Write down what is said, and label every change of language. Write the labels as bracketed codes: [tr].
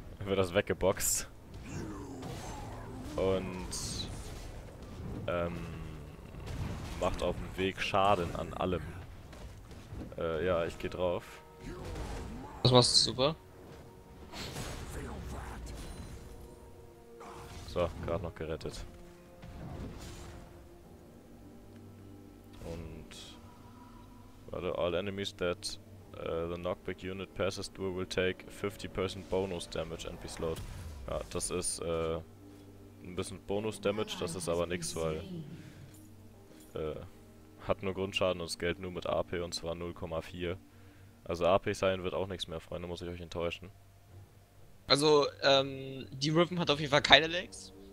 [de] Wird das weggeboxt. Und macht auf dem Weg Schaden an allem. Ja, ich geh drauf. Das machst du super. So, gerade noch gerettet. Und warte, [en] all enemies that the knockback unit passes through will take 50% bonus damage and be slowed. [de] Ja, das ist ein bisschen Bonus Damage, das ist aber nichts, weil hat nur Grundschaden und scaled nur mit AP und zwar 0,4. Also AP sein wird auch nichts mehr, Freunde, muss ich euch enttäuschen. Also, die Riven hat auf jeden Fall keine Legs.